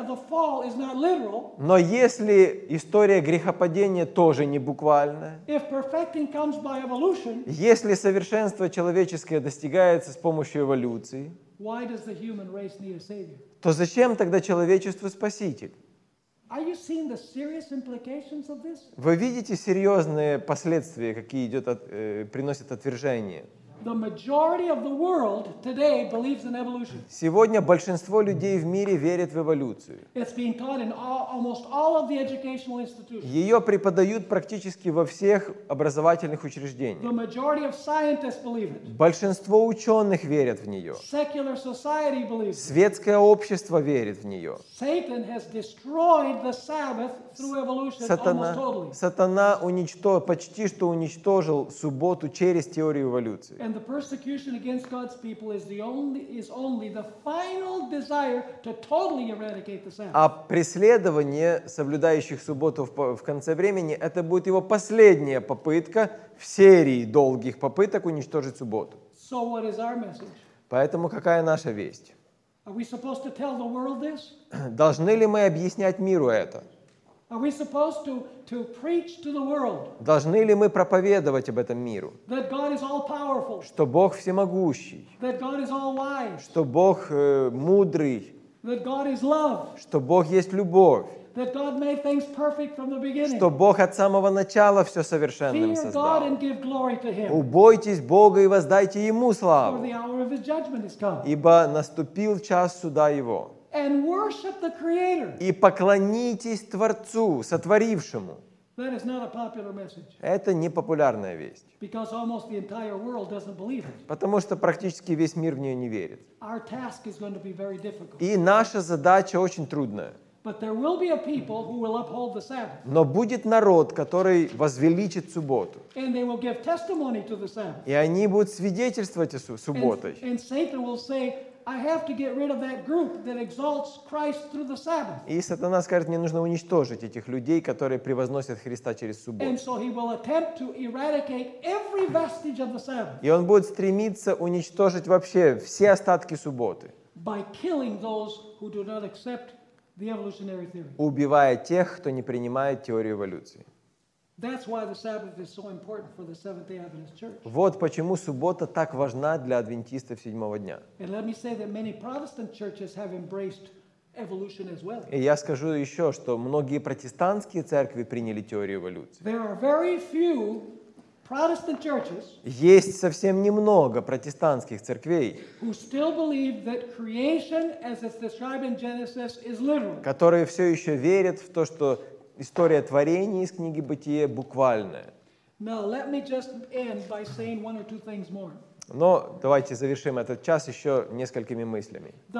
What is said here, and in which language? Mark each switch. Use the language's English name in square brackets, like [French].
[Russian] Но если история грехопадения тоже не буквальная, если совершенство человеческое достигается с помощью эволюции, то зачем тогда человечеству Спаситель? Вы видите серьезные последствия, какие идет от, приносит отвержение? [English] The majority of the world today believes in evolution. [Russian] Сегодня большинство людей в мире верит в эволюцию. [English] It's being taught in almost all of the educational institutions. [Russian] Ее преподают практически во всех образовательных учреждениях. [English] The majority of scientists believe it. [Russian] Большинство ученых верят в нее. [English] Secular society believes it. [Russian] Светское общество верит в нее. [English] Satan has destroyed the Sabbath through evolution almost totally. [Russian] Сатана уничтожил, почти что уничтожил субботу через теорию эволюции. [English] And the persecution against God's people is the only is only the final desire to totally eradicate the Sabbath. [Russian] А преследование соблюдающих субботу в конце времени это будет его последняя попытка в серии долгих попыток уничтожить субботу. [English] So what is our message? [Russian] Поэтому какая наша весть? [English] Are we supposed to tell the world this? [Russian] Должны ли мы объяснять миру это? [English] Are we supposed to preach to the world? [Russian] Должны ли мы проповедовать об этом миру? [English] That God is all powerful. [Russian] Что Бог всемогущий. [English] That God is all wise. [Russian] Что Бог мудрый. [English] That God is love. [Russian] Что Бог есть любовь. [English] That God made things perfect from the beginning. [Russian] Что Бог от самого начала все совершенным создал. [English] Fear God and give glory to Him. [Russian] Убойтесь Бога и воздайте Ему славу. [English] For the hour of His judgment has come. [Russian] Ибо наступил час суда Его. [English] And worship the Creator. [Russian] И поклонитесь Творцу, сотворившему. [English] That is not a popular message. [Russian] Это не популярная весть. [English] Because almost the entire world doesn't believe it. [Russian] Потому что практически весь мир в нее не верит. [English] Our task is going to be very difficult. [Russian] И наша задача очень трудная. [English] But there will be a people who will uphold the Sabbath. [Russian] Но будет народ, который возвеличит субботу. [English] And they will give testimony to the Sabbath. [Russian] И они будут свидетельствовать о субботе. [English] And Satan will say, I have to get rid of that group that exalts Christ through the Sabbath. [Russian] И сатана скажет, мне нужно уничтожить этих людей, которые превозносят Христа через субботу. [English] And so he will attempt to eradicate every vestige of the Sabbath. [Russian] И он будет стремиться уничтожить вообще все остатки субботы. [English] By killing those who do not accept the evolutionary theory. [Russian] Убивая тех, кто не принимает теорию эволюции. [English] That's why the Sabbath is so important for the Seventh-day Adventist Church. [Russian] Вот почему суббота так важна для адвентистов седьмого дня. [English] And let me say that many Protestant churches have embraced evolution as well. [Russian] И я скажу еще, что многие протестантские церкви приняли теорию эволюции. [English] There are very few Protestant churches. [Russian] Есть совсем немного протестантских церквей, [English] who still believe that creation, as it's described in Genesis, is literal. [Russian] Которые все еще верят в то, что история творения из книги «Бытие» буквальная. Но давайте завершим этот час еще несколькими мыслями.